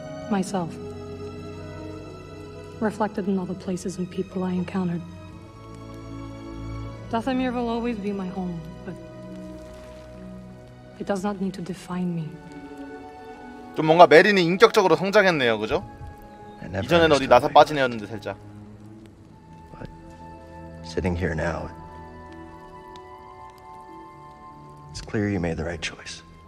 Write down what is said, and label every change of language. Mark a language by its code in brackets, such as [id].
[en] Myself. reflected in all the places and people I encountered. Dathomir will always be my home, but it does not need to define me. [ko] 좀 뭔가 메린이 인격적으로 성장했네요, 그죠? 이전엔 어디 나사 빠진 애였는데 살짝. [en] But sitting here now, it's clear you made the right choice.